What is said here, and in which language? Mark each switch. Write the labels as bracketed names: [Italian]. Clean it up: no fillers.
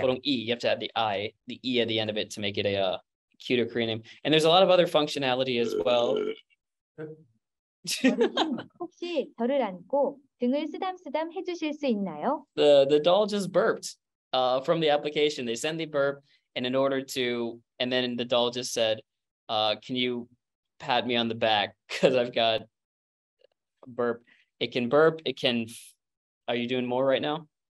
[English] You have to add the E at the end of it to make it a cuter Korean name. And there's a lot of other functionality as well. [Korean] 혹시 저를 안고 등을 쓰담쓰담 해주실 수 있나요? [English] The doll just burped from the application. They send the burp. And in order to, and then the doll just said, can you pat me on the back? Because I've got a burp. It can burp. It can, are you doing more right now?